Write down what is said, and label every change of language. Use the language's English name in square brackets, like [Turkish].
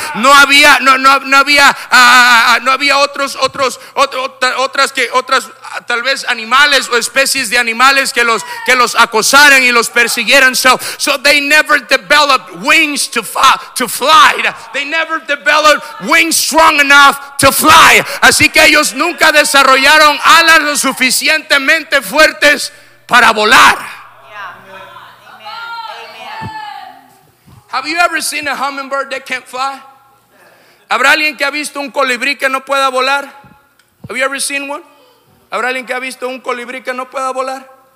[Spanish] No había otras tal vez animales o especies de animales que los acosaran y los persiguieran. [English] So they never developed wings to fly. They never developed wings strong enough to fly. [Spanish] Así que ellos nunca desarrollaron alas lo suficientemente fuertes para volar. [English] Have you ever seen a hummingbird that can't fly? [Spanish] ¿Habrá alguien que ha visto un colibrí que no pueda volar? [English] Have you ever seen one? [Spanish] ¿Habrá alguien que ha visto un colibrí que no pueda volar?